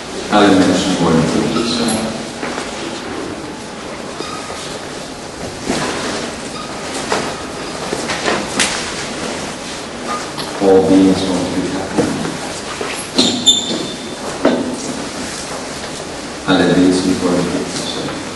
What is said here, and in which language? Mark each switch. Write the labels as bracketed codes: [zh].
[de] Alle Menschen wollen glücklich sein. [en] All beings want to be happy. [de] Alle Wesen wollen glücklich sein.